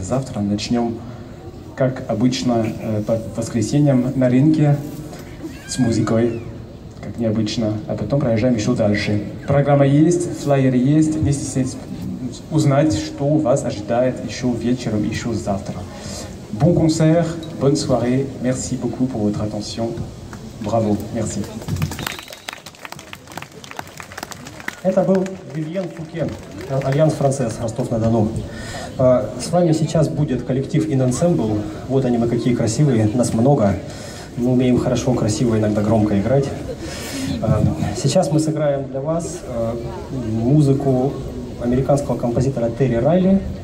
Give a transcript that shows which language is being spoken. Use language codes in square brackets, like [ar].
[ru] Завтра начнем, как обычно, по воскресеньям на рынке с музыкой, как необычно. А потом проезжаем еще дальше. Программа есть, флайер есть. Не стесняйтесь узнать, что вас ожидает еще вечером, еще завтра. [fr] Bon concert, bonne soirée, merci beaucoup pour votre attention. Bravo, merci. [ru] Это был Вивьен Фуке, Альянс Францесс, Ростов-на-Дону. С вами сейчас будет коллектив In Ensemble. Вот они мы какие красивые, нас много. Мы умеем хорошо, красиво, иногда громко играть. Сейчас мы сыграем для вас музыку американского композитора Терри Райли.